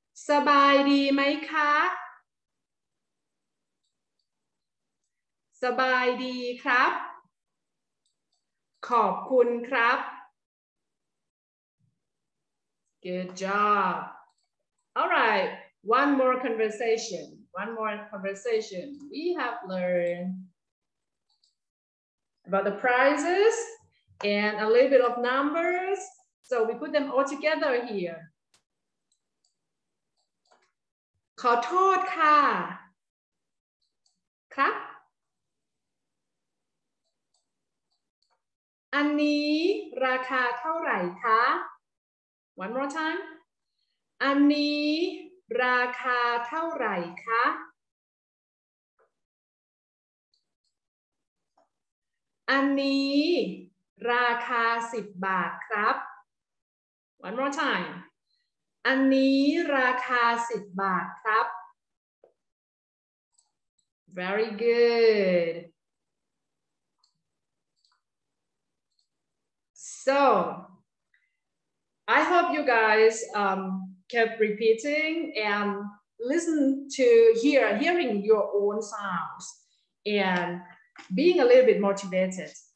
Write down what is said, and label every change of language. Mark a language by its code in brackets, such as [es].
[th] สบายดีไหมคะสบายดีครับขอบคุณครับ [en] Good job. All right. One more conversation. One more conversation. We have learned about the prizes and a little bit of numbers. So we put them all together here. [th] ขอโทษค่ะครับอันนี้ราคาเท่าไหร่คะ [en] One more time. [th] อันนี้ราคาเท่าไหร่คะอันนี้ราคา10บาทครับ [en] One more time. [th] อันนี้ราคา10บาทครับ [en] Very good. So, I hope you guys kept repeating and listen to hearing your own sounds and being a little bit motivated.